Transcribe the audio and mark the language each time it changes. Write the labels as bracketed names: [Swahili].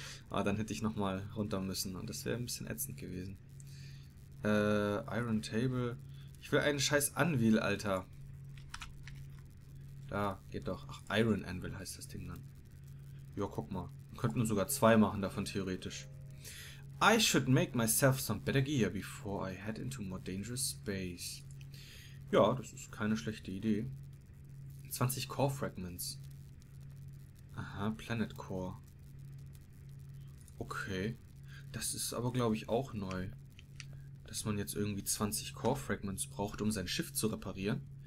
[German] Aber dann hätte ich nochmal runter müssen und das wäre ein bisschen ätzend gewesen. Iron Table. Ich will einen scheiß Anvil, Alter. Da geht doch. Ach, Iron Anvil heißt das Ding dann. Ja, guck mal. Wir könnten sogar zwei machen davon, theoretisch. [English] I should make myself some better gear before I head into more dangerous space. [German] Ja, das ist keine schlechte Idee. 20 Core Fragments. Aha, Planet Core. Okay. Das ist aber, glaube ich, auch neu. Dass man jetzt irgendwie 20 Core Fragments braucht, um sein Schiff zu reparieren.